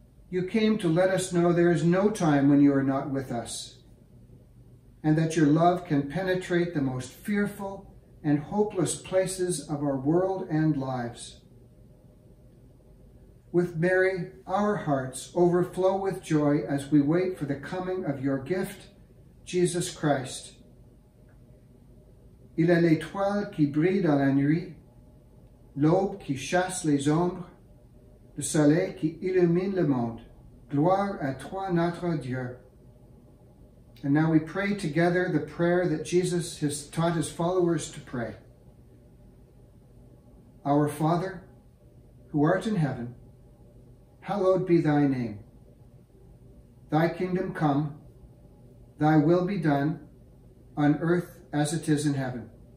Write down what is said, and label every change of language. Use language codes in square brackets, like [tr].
[en] You came to let us know there is no time when you are not with us, and that your love can penetrate the most fearful and hopeless places of our world and lives. With Mary, our hearts overflow with joy as we wait for the coming of your gift, Jesus Christ. [fr] Il est l'étoile qui brille dans la nuit, l'aube qui chasse les ombres, le soleil qui illumine le monde. Gloire à toi, notre Dieu. [en] And now we pray together the prayer that Jesus has taught his followers to pray. Our Father, who art in heaven, hallowed be thy name. Thy kingdom come, thy will be done, on earth as it is in heaven.